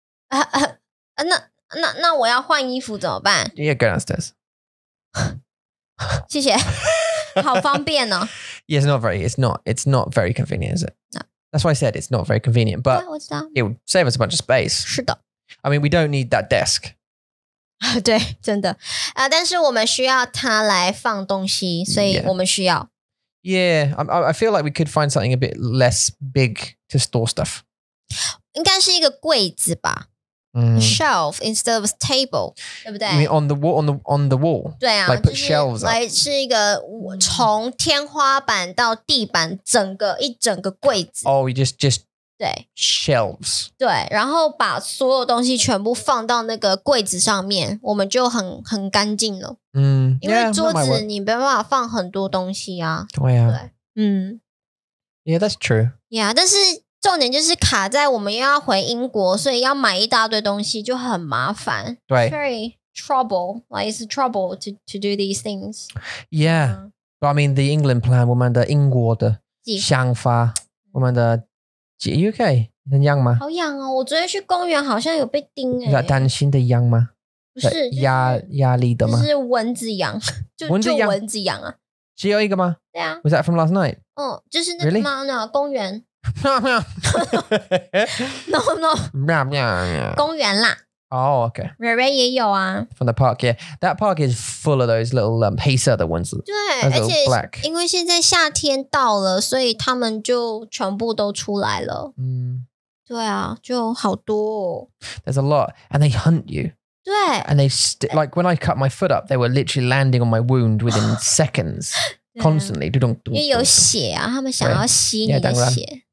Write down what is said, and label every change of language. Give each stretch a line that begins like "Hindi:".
Chinese: 那我要换衣服怎么办?
English: Yeah, go downstairs.
Chinese: 谢谢。好方便哦。
English: Yeah, it's not very convenient, is it? No. That's why I said it's not very convenient, but it would save us a bunch of space.
Chinese: 是的。
English: I mean, we don't need that desk.
Chinese: 对，真的。但是我们需要它来放东西，所以我们需要。
English: Yeah, I feel like we could find something a bit less big to store stuff.
Chinese: 应该是一个柜子吧。
English: Shelf instead of a table,
Chinese: 对不对?
English: You mean on the wall?
Chinese: 对啊。
English: Like put shelves up.
Chinese: 来是一个从天花板到地板整个一整个柜子。
English: Oh, you just...
Chinese: 对
English: shelves.
Chinese: 对，然后把所有东西全部放到那个柜子上面，我们就很干净了。因为桌子你没办法放很多东西啊。对啊。对。
English: Yeah, that's true.
Chinese: Yeah, 但是重点就是卡在我们又要回英国，所以要买一大堆东西就很麻烦。对。
English: Very trouble, like it's a trouble to do these things. Yeah. But I mean, the England plan,
Chinese: 我们的英国的想法，我们的。
English: Are you okay?
Chinese: 很痒吗？好痒哦！我昨天去公园，好像有被叮哎。是担心的痒吗？不是，压力的吗？是蚊子痒，就蚊子痒啊。只有一个吗？对啊。
English: Was that from last night?
Chinese: 就是那个吗？那公园。喵喵。
English: No no。喵喵。
Chinese: 公园啦。
English: Oh, okay.
Chinese: Rerey 也有啊。
English: From the park, yeah. That park is full of those little
Chinese: 黑色的蚊子。对，而且因为现在夏天到了，所以他们就全部都出来了。嗯，对啊，就好多。
English: There's a lot, and they hunt you.
Chinese: 对。
English: And they like when I cut my foot up, they were literally landing on my wound within seconds, constantly.
Chinese: 因为有血啊，他们想要吸你的血。